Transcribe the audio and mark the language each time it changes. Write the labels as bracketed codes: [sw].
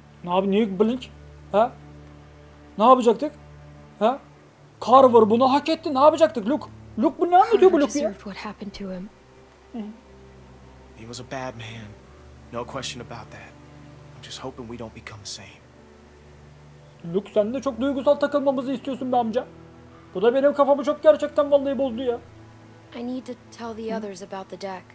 [tr] Ne abi, niye blink? Ha? Ne yapacaktık? Ha? Carver bunu hak etti, ne yapacaktık Luke? Luke bu ne anlatıyor bu Luke ya? [en] He was a bad man. No question about that. I'm just hoping we don't become the same. [tr] Luke, sen de çok duygusal takılmamızı istiyorsun be amca. Bu da benim kafamı çok gerçekten vallahi bozdu ya. [en] I need to tell the others about the deck.